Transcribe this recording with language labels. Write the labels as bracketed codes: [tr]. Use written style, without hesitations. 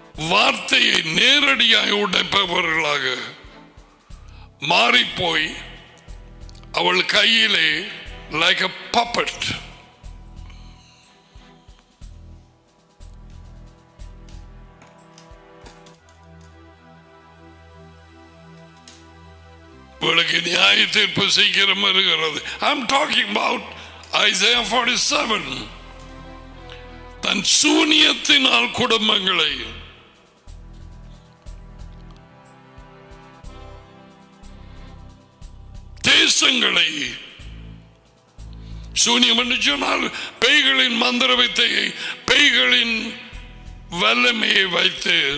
[ta] வார்த்தையை நேரடியாக உடைப்பவர்களாக மாறிப்போய் அவள் கையிலே [en] like a puppet. [ta] உங்களுக்கு நியாய தீர்ப்பு சீக்கிரம் வருகிறது. [en] I'm talking about Isaiah 47. [ta] தன் சூனியத்தினால் குடும்பங்களை, தேசங்களை சூனியம் என்று சொன்னால் பேய்களின் மந்திர வித்தையை, பேய்களின் வல்லமையை வைத்து.